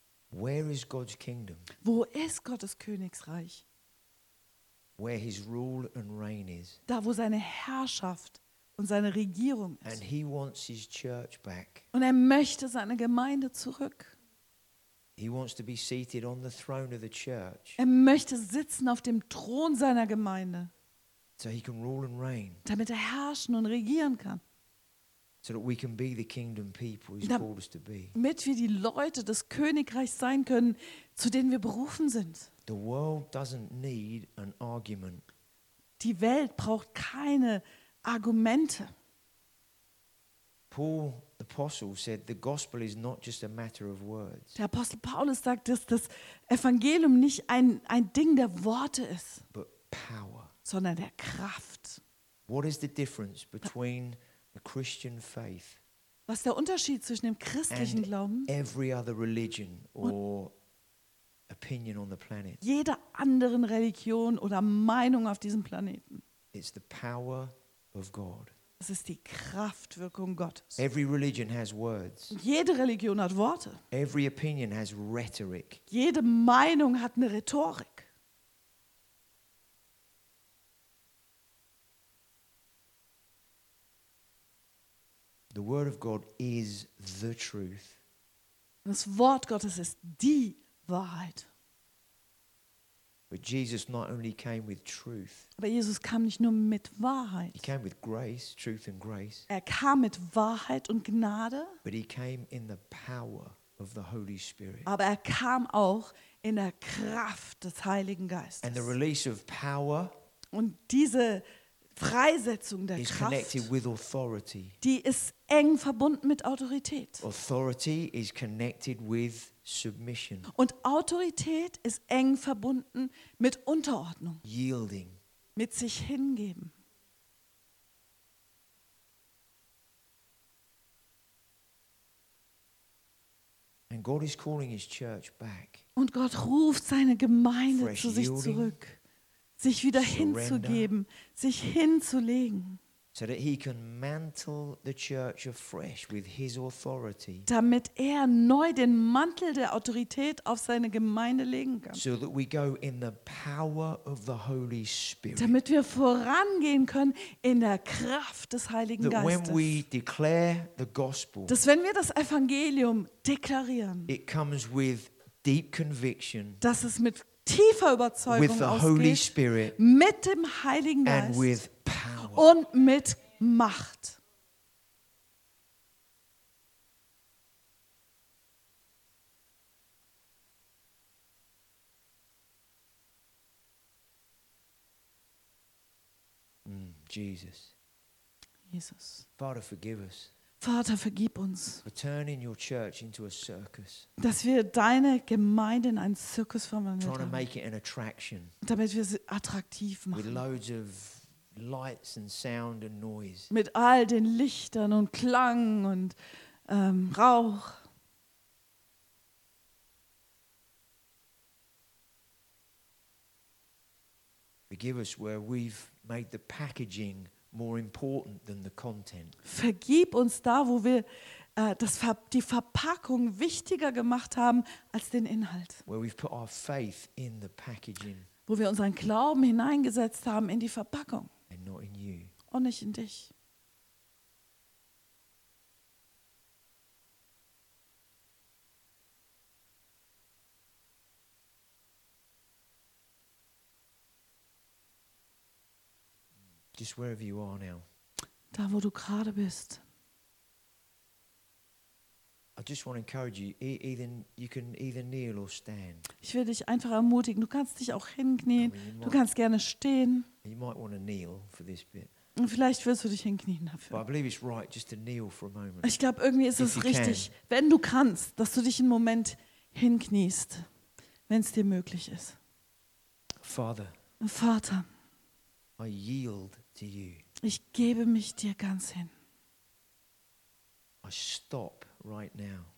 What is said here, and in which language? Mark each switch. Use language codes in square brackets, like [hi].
[en] Where is God's kingdom? [de] Wo ist Gottes Königsreich? [en] Where his rule and reign is. [de] Da, wo seine Herrschaft und seine Regierung ist. [en] And he wants his church back. [de] Und er möchte seine Gemeinde zurück. [en] He wants to be seated on the throne of the church. [de] Er möchte sitzen auf dem Thron seiner Gemeinde. [en] So he can rule and reign. [de] Damit er herrschen und regieren kann. [en] So that we can be the kingdom people he's called us to be. [de] Damit wir die Leute des Königreichs sein können, zu denen wir berufen sind. [en] The world doesn't need an argument. [de] Die Welt braucht keine Argumente. [en] Paul the apostle said the gospel is not just a matter of words. [de] Der Apostel Paulus sagt, dass das Evangelium nicht ein Ding der Worte ist, [en] but power. [de] Sondern der Kraft. [en] What is the difference between a Christian faith? [de] Was ist der Unterschied zwischen dem christlichen Glauben [en] and every other religion or opinion on the planet? [de] Jeder anderen Religion oder Meinung auf diesem Planeten. [en] It's the power of God. [de] Es ist die Kraftwirkung Gottes. [en] Every religion has words. [de] Jede Religion hat Worte. [en] Every opinion has rhetoric. [de] Jede Meinung hat eine Rhetorik. [en] The word of God is the truth. [de] Das Wort Gottes ist die Wahrheit. [en] But Jesus not only came with truth. [de] Aber Jesus kam nicht nur mit Wahrheit. [en] He came with grace, truth and grace. [de] Er kam mit Wahrheit und Gnade. [en] But he came in the power of the Holy Spirit. [de] Aber er kam auch in der Kraft des Heiligen Geistes. [en] And the release of power. [de] Und diese Freisetzung der [en] is [de] Kraft, [en] with authority. [de] Die ist eng verbunden mit Autorität. [en] Authority is connected with submission. [de] Und Autorität ist eng verbunden mit Unterordnung. [en] Yielding. [de] Mit sich hingeben. [en] And God is calling his church back. [de] Und Gott ruft seine Gemeinde [en] fresh [de] zu sich [en] yielding, [de] zurück. Sich wieder [en] surrender, [de] hinzugeben, sich hinzulegen. [en] So that he can mantle the church afresh with his authority. [de] Damit er neu den Mantel der Autorität auf seine Gemeinde legen kann. [en] So that we go in the power of the Holy Spirit. [de] Damit wir vorangehen können in der Kraft des Heiligen [en] that [de] Geistes. [en] When we declare the gospel, [de] dass wenn wir das Evangelium deklarieren, [en] it comes with deep conviction, [de] dass es mit tiefer Überzeugung [en] with the [de] ausgeht, [en] Holy Spirit, [de] mit dem Heiligen Geist [en] and with power, [de] und mit Macht. [en] Jesus. [de] Jesus. [en] Father, forgive us. [de] Vater, vergib uns, [en] for turning your church into a circus, [de] dass wir deine Gemeinde in einen Zirkus verwandelt haben, [en] trying to make it an attraction, [de] damit wir sie attraktiv machen, [en] with loads of lights and sound and noise, [de] mit all den Lichtern und Klang und Rauch. [en] Forgive us where we've made the packaging more important than the content. [de] Vergib uns da, wo wir die Verpackung wichtiger gemacht haben als den Inhalt. [en] Where we've put our faith in the packaging. [de] Wo wir unseren Glauben hineingesetzt haben in die Verpackung. [en] And not in you. [de] Und nicht in dich. [en] Just wherever you are now. [de] Da, wo du gerade bist. [en] I just want to encourage you, you can either kneel or stand. [de] Ich will dich einfach ermutigen. Du kannst dich auch hinknien. Du kannst gerne stehen. [en] You might want to kneel for this bit. [de] Und vielleicht willst du dich hinknien dafür. [en] But I believe it's right just to kneel for a moment. [de] Ich glaube, irgendwie ist es richtig, wenn du kannst, dass du dich einen Moment hinkniest, wenn es dir möglich ist. [en] Father. [de] Vater. [en] I yield to you. [de] Ich gebe mich dir ganz hin. [en] I stop right now.